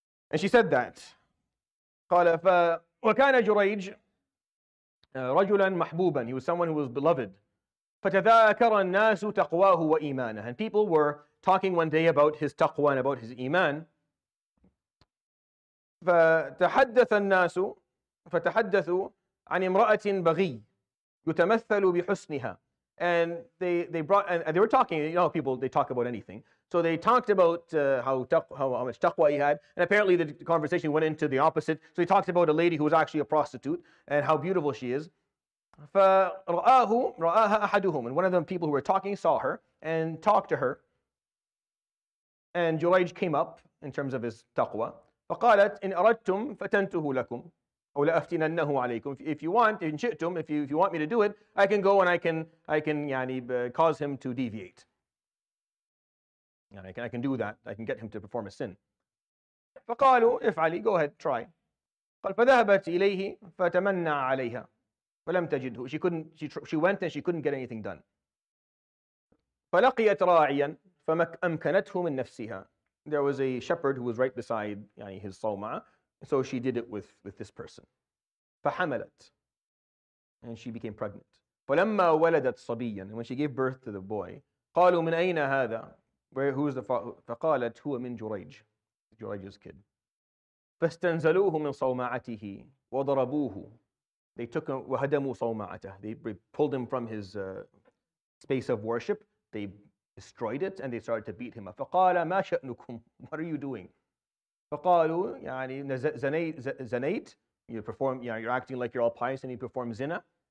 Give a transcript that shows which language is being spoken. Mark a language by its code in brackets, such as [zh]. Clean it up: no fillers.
[en] And she said that. [ar] قَالَ فَوَكَانَ جُرَيْجُ رَجُلًا مَحْبُوبًا. [en] He was someone who was beloved. [ar] فَتَذَاكَرَ النَّاسُ تَقْوَاهُ وَإِيمَانَهُ. [en] And people were talking one day about his taqwa and about his iman. [ar] فتحدث الناس فتحدثوا عن امرأة بغي يتمثل بحسنها. [en] And they were talking, you know, people, they talk about anything. So they talked about how much taqwa he had. And apparently the conversation went into the opposite. So he talked about a lady who was actually a prostitute and how beautiful she is. [ar] فرآه رآها أحدهم. [en] And one of the people who were talking saw her and talked to her. And Jureyj came up in terms of his taqwa. [ar] فقالت إن أردتم فتنته لكم. أو لأفتننه عليكم. [en] If you want, [ar] إن شئتم, [en] if you want me to do it, I can go and I can يعني cause him to deviate. يعني I can do that. I can get him to perform a sin. [ar] فقالوا افعلي, [en] go ahead, try. [ar] قال فذهبت إليه فتمنى عليها فلم تجده. [en] She went and she couldn't get anything done. [ar] فلقيت راعيا فأمكنته من نفسها. [en] There was a shepherd who was right beside [ar] يعني [en] his صومعة. So she did it with this person. [ar] فحملت, [en] and she became pregnant. [ar] فلما ولدت صبيا, [en] when she gave birth to the boy, [ar] قالوا من أين هذا, [en] who's the father? [ar] فقالت هو من جريج, جريج [en] 's kid. [ar] فاستنزلوه من صومعته وضربوه. [en] They took him, [ar] وهدموا صومعته. [en] They pulled him from his space of worship. They destroyed it and they started to beat him. [ar] فقال ما شأنكم, [en] what are you doing? [ar] فقالوا يعني زنيت, [en] you perform, you're acting like you're all pious and you perform zina.